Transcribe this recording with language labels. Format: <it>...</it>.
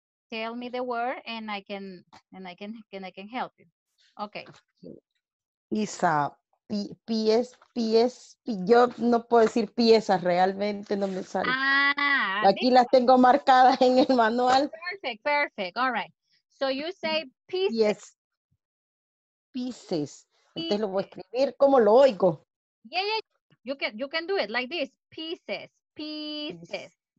<en>Tell me the word, and I can help you. Okay.</en> <es>Isa, pies, yo no puedo decir piezas, realmente no me sale. Ah, aquí las tengo marcadas en el manual.</es> <en>Perfect, perfect, all right. So you say pieces. Pies, pieces.</en> <es>Entonces lo voy a escribir como lo oigo.</es> <en>Yeah, yeah, you can do it like this, pieces, pieces.</en>